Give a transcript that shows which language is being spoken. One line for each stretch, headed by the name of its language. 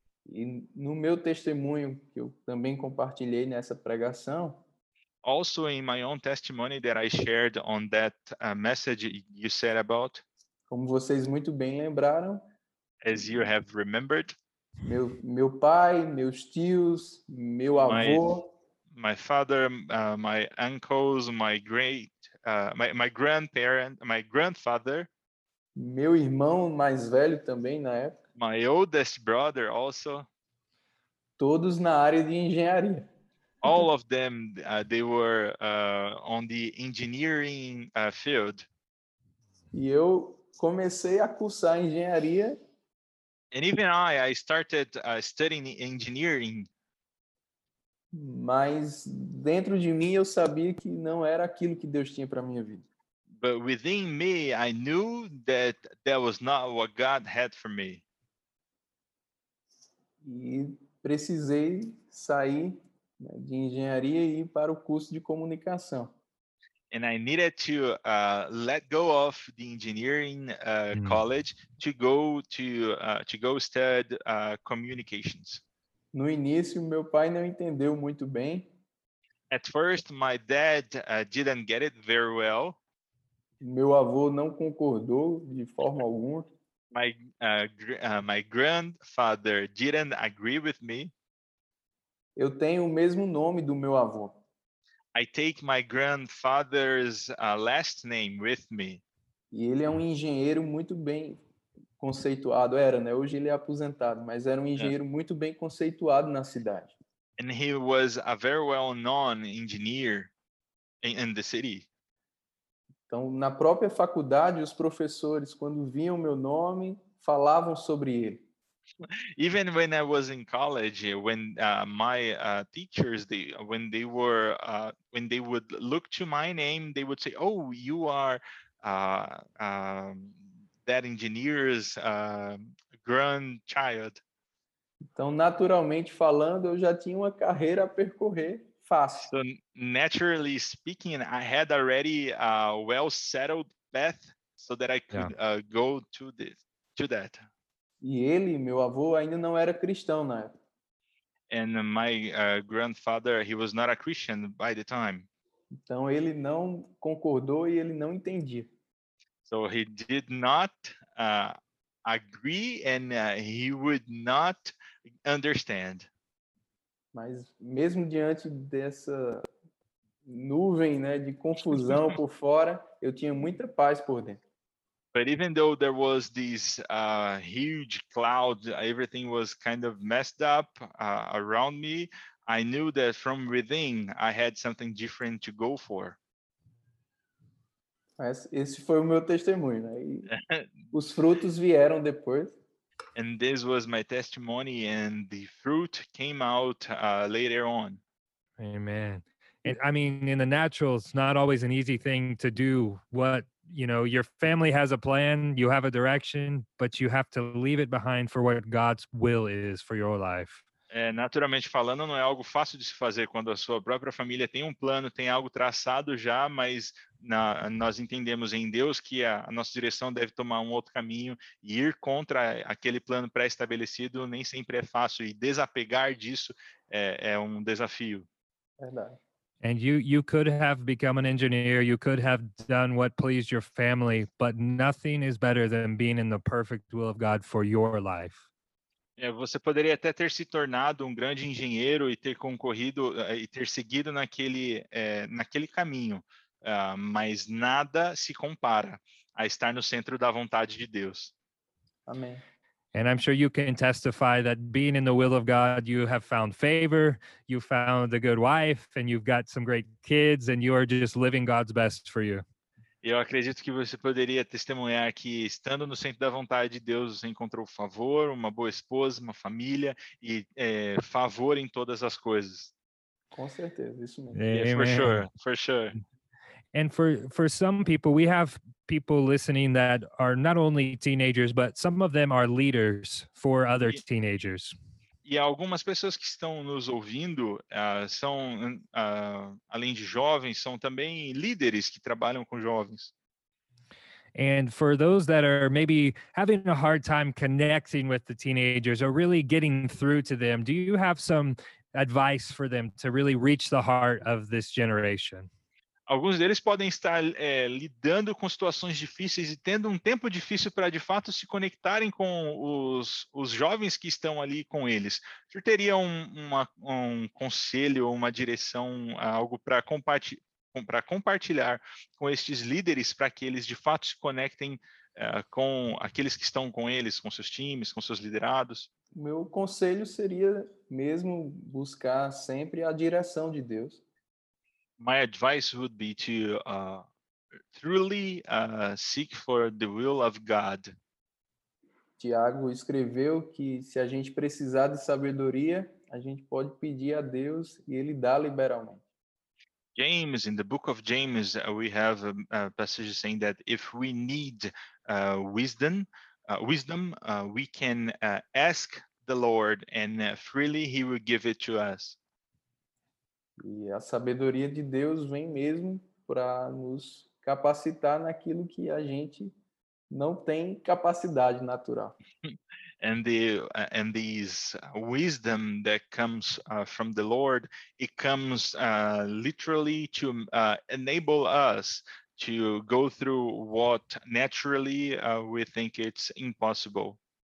Portuguese: E no meu testemunho, que eu também compartilhei nessa pregação,
English: also in my own testimony that I shared on that message you said about,
Portuguese: como vocês muito bem lembraram,
English: as you have remembered,
Portuguese: meu pai, meus tios, meu avô,
English: my father, my uncles, my great my grandparent, my grandfather,
Portuguese: meu irmão mais velho também na época,
English: my oldest brother also,
Portuguese: todos na área de engenharia.
English: All of them, they were on the engineering field.
Portuguese: E eu comecei a cursar engenharia.
English: And even I started studying engineering.
Portuguese: Mas dentro de mim eu sabia que não era aquilo que Deus tinha para minha vida.
English: But within me, I knew that that was not what God had for me.
Portuguese: E precisei sair de engenharia e ir para o curso de comunicação.
English: And I needed to let go of the engineering college to go study communications.
Portuguese: No início, meu pai não entendeu muito bem.
English: At first, my dad didn't get it very well.
Portuguese: Meu avô não concordou de forma alguma.
English: My grandfather didn't agree with me.
Portuguese: Eu tenho o mesmo nome do meu avô.
English: I take my grandfather's last name with me.
Portuguese: E ele é um engenheiro muito bem conceituado. Era, né? Hoje ele é aposentado, mas era um engenheiro muito bem conceituado na cidade.
English: And he was a very well-known engineer in the city.
Portuguese: Então, na própria faculdade, os professores, quando viam meu nome, falavam sobre ele.
English: Even when I was in college, when my teachers, when they would look to my name, they would say, "Oh, you are that engineer's grandchild."
Portuguese: Então, naturalmente falando, eu já tinha uma carreira a percorrer fácil.
English: So, naturally speaking, I had already a well-settled path so that I could go to this, to that.
Portuguese: E ele, meu avô, ainda não era cristão na época.
English: And my grandfather, he was not a Christian by the time.
Portuguese: Então ele não concordou e ele não entendia.
English: So he did not agree and he would not understand.
Portuguese: Mas mesmo diante dessa nuvem, né, de confusão por fora, eu tinha muita paz por dentro.
English: But even though there was this huge cloud, everything was kind of messed up around me, I knew that from within I had something different to go for.
Portuguese: Esse foi o meu testemunho, né? Os frutos vieram depois.
English: And this was my testimony, and the fruit came out later on. Amen. And, I mean, in the natural, it's not always an easy thing to do what, you know, your family has a plan, you have a direction, but you have to leave it behind for what God's will is for your life.
Portuguese: É, naturalmente falando, não é algo fácil de se fazer quando a sua própria família tem um plano, tem algo traçado já, mas nós entendemos em Deus que a nossa direção deve tomar um outro caminho e ir contra aquele plano pré-estabelecido nem sempre é fácil, e desapegar disso é um desafio. Verdade.
English: And you could have become an engineer, you could have done what pleased your family, but nothing is better than being in the perfect will of God for your life.
Portuguese: É, você poderia até ter se tornado um grande engenheiro e ter concorrido e ter seguido naquele caminho, mas nada se compara a estar no centro da vontade de Deus. Amém.
English: And I'm sure you can testify that being in the will of God, you have found favor, you found a good wife, and you've got some great kids, and you are just living God's best for you.
Portuguese: Eu acredito que você poderia testemunhar que, estando no centro da vontade de Deus, você encontrou favor, uma boa esposa, uma família e favor em todas as coisas. Com certeza, isso mesmo.
English: Yeah, for sure, for sure. And for some people, we have people listening that are not only teenagers, but some of them are leaders for other teenagers.
Portuguese: E algumas pessoas que estão nos ouvindo são, além de jovens, são também líderes que trabalham com jovens.
English: And for those that are maybe having a hard time connecting with the teenagers or really getting through to them, do you have some advice for them to really reach the heart of this generation?
Portuguese: Alguns deles podem estar lidando com situações difíceis e tendo um tempo difícil para, de fato, se conectarem com os jovens que estão ali com eles. Você teria um conselho, uma direção, algo para compartilhar com estes líderes para que eles, de fato, se conectem com aqueles que estão com eles, com seus times, com seus liderados? Meu conselho seria mesmo buscar sempre a direção de Deus.
English: My advice would be to truly seek for the will of God.
Portuguese: Tiago escreveu que se a gente precisar de sabedoria, a gente pode pedir a Deus e ele dá liberalmente.
English: James, in the book of James, we have a passage saying that if we need wisdom, we can ask the Lord and freely he will give it to us.
Portuguese: E a sabedoria de Deus vem mesmo para nos capacitar naquilo que a gente não tem capacidade natural.
English: And this wisdom that comes from the Lord, it comes literally to enable us to go through what naturally we think it's impossible.